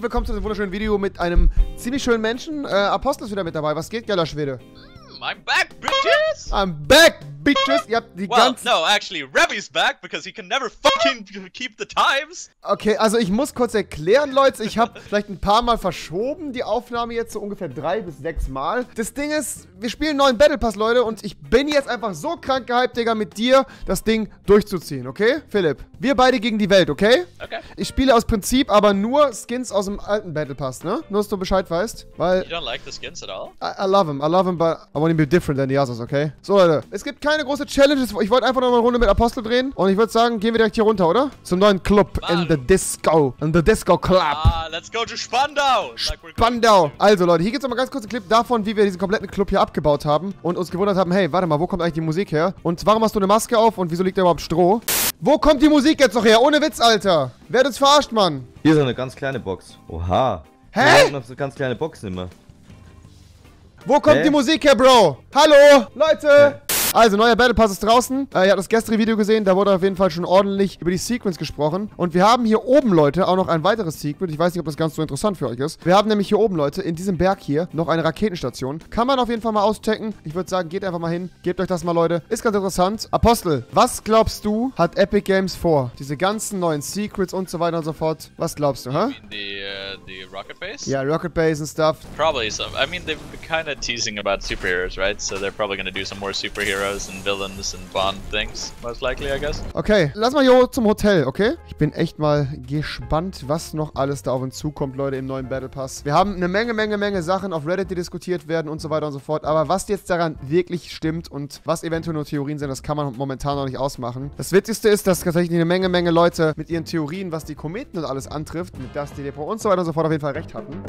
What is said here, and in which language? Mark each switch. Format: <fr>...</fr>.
<de>Willkommen zu einem wunderschönen Video mit einem ziemlich schönen Menschen. Apostel ist wieder mit dabei. Was geht, geiler Schwede?</de> <en>I'm back, bitches! I'm back, bitches!</en> <de>Ihr habt die</de> <en>actually, Revy's back, because he can never fucking keep the times.</en> <de>Okay, also ich muss kurz erklären, Leute. Ich habe vielleicht ein paar Mal verschoben die Aufnahme jetzt, so ungefähr 3 bis 6 Mal. Das Ding ist, wir spielen einen neuen Battle Pass, Leute, und ich bin jetzt einfach so krank gehypt, Digga, mit dir das Ding durchzuziehen, okay, Philipp? Wir beide gegen die Welt, okay? Okay. Ich spiele aus Prinzip aber nur Skins aus dem alten Battle Pass, ne? Nur, dass du Bescheid weißt, weil...</de> <en>You don't like the skins at all? I love them, but I want to be different than the others, okay?</en> <de>So, Leute, es gibt keine große Challenges. Ich wollte einfach nochmal eine Runde mit Apostel drehen und ich würde sagen, gehen wir direkt hier runter, oder? Zum neuen Club</de> <en>in the Disco Club. Ah, let's go to Spandau! Spandau!</en> <de>Also, Leute, hier gibt es nochmal ganz kurz einen Clip davon, wie wir diesen kompletten Club hier abgebaut haben und uns gewundert haben, hey, warte mal, wo kommt eigentlich die Musik her? Und warum hast du eine Maske auf und wieso liegt da überhaupt Stroh? Wo kommt die Musik jetzt noch her? Ohne Witz, Alter. Wer hat uns verarscht, Mann? Hier ist eine ganz kleine Box. Oha. Hä? Wir haben noch so ganz kleine Boxen immer. Wo kommt die Musik her, Bro? Hallo, Leute. Hä? Also, neuer Battle Pass ist draußen. Ihr habt das gestrige Video gesehen. Da wurde auf jeden Fall schon ordentlich über die Sequence gesprochen. Und wir haben hier oben, Leute, auch noch ein weiteres Secret. Ich weiß nicht, ob das ganz so interessant für euch ist. Wir haben nämlich hier oben, Leute, in diesem Berg hier noch eine Raketenstation. Kann man auf jeden Fall mal auschecken. Ich würde sagen, geht einfach mal hin. Gebt euch das mal, Leute. Ist ganz interessant. Apostel, was glaubst du, hat Epic Games vor? Diese ganzen neuen Secrets und so weiter und so fort. Was glaubst du, hä?</de> <en>The Rocket Base? Yeah, Rocket Base and stuff. Probably some. I mean, they've been kind of teasing about superheroes, right? So they're probably going to do some more superheroes and villains and Bond things, most likely, I guess.</en> <de>Okay, lass mal hier zum Hotel, okay? Ich bin echt mal gespannt, was noch alles da auf uns zukommt, Leute, im neuen Battle Pass. Wir haben eine Menge Sachen auf Reddit, die diskutiert werden und so weiter und so fort. Aber was jetzt daran wirklich stimmt und was eventuell nur Theorien sind, das kann man momentan noch nicht ausmachen. Das Witzigste ist, dass tatsächlich eine Menge Leute mit ihren Theorien, was die Kometen und alles antrifft, mit Dusty Depot und so weiter und sofort auf jeden Fall recht hatten.</de>